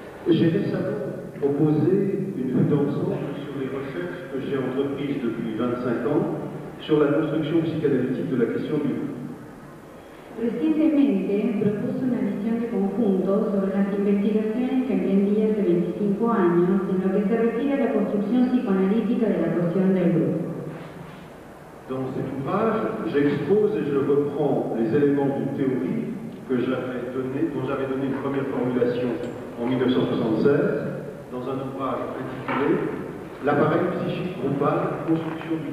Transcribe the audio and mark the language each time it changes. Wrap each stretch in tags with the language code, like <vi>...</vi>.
<fr>J'ai récemment proposé une vue d'ensemble sur les recherches que j'ai entreprises depuis 25 ans sur la construction psychanalytique de la question du groupe.</fr> <es>Recientemente propuso una visión de conjunto sobre las investigaciones que emprendí hace 25 años en lo que se refiere a la construcción psicoanalítica de la cuestión del grupo.</es> <fr>Dans cet ouvrage, j'expose et je reprends les éléments d'une théorie que j'avais donné, dont j'avais donné une première formulation en 1976 dans un ouvrage intitulé L'appareil psychique groupal, construction du</fr>